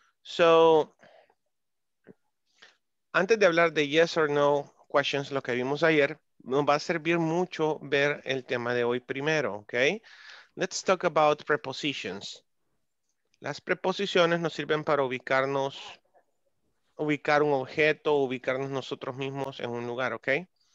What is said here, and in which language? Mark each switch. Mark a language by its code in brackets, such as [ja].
[es] So antes de hablar de [en] yes or no questions, [es] lo que vimos ayer, nos va a servir mucho ver el tema de hoy primero, okay? [en] Let's talk about prepositions. [es] Las preposiciones nos sirven para ubicarnos, ubicar un objeto, ubicarnos nosotros mismos en un lugar, okay?